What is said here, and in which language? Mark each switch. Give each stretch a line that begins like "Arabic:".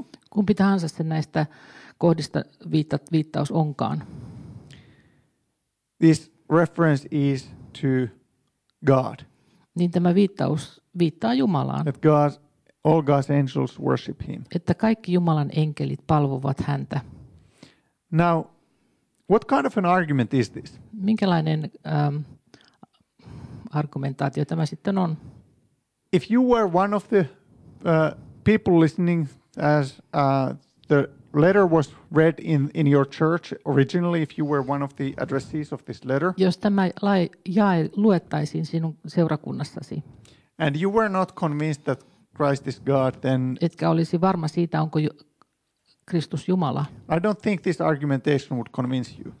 Finnish: Kumpi tahansa se näistä kohdista viittaus onkaan.
English: This reference is to God.
Finnish: Niin tämä viittaus viittaa Jumalaan.
English: That God, all God's angels worship him.
Finnish: Että kaikki Jumalan enkelit palvovat häntä.
English: Now, what kind of an argument is this?
Finnish: Minkälainen argumentaatio tämä sitten on?
English: If you were one of the people listening as the letter was read in your church originally, if you were one of the addressees of this letter.
Finnish: Jos tämä jae luettaisiin sinun seurakunnassasi.
English: And you were not convinced that Christ is God, then.
Finnish: Etkä olisi varma siitä, onko Kristus Jumala.
English: I don't think this argumentation would convince you.